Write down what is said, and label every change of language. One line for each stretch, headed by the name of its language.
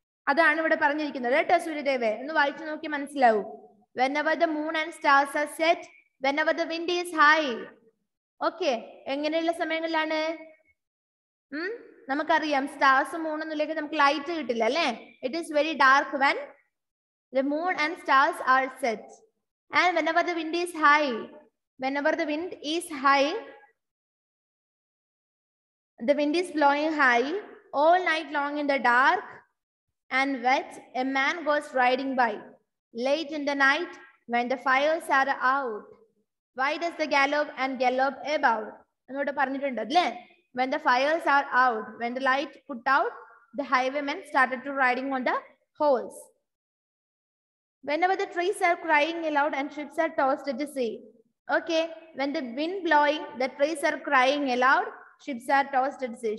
Malayalam: അതാണ് ഇവിടെ പറഞ്ഞിരിക്കുന്നത് കേട്ടോ. സൂര്യദേവേ, ഒന്ന് വായിച്ചു നോക്കി മനസ്സിലാവും.
English: Whenever the moon and stars are set, whenever the wind is high.
Malayalam: Okay, എങ്ങനെയുള്ള സമയങ്ങളിലാണ്? നമുക്കറിയാം സ്റ്റാർസ് മൂൺ എന്നുള്ളിലേക്ക് നമുക്ക് ലൈറ്റ് കിട്ടില്ല അല്ലേ.
English: It is very dark when the moon and stars are set and whenever the wind is high. Whenever the wind is high, the wind is blowing high all night long in the dark and wet a man goes riding by late in the night when the fires are out why does the gallop and gallop about
Malayalam: എന്നോട് പറഞ്ഞിട്ടുണ്ട് അല്ലേ.
English: When the fires are out, when the light put out, the highwaymen started to riding on the horse. Whenever the trees are crying aloud and ships are tossed at the sea. Okay, when the wind blowing, the trees are crying aloud, ships are tossed at the sea.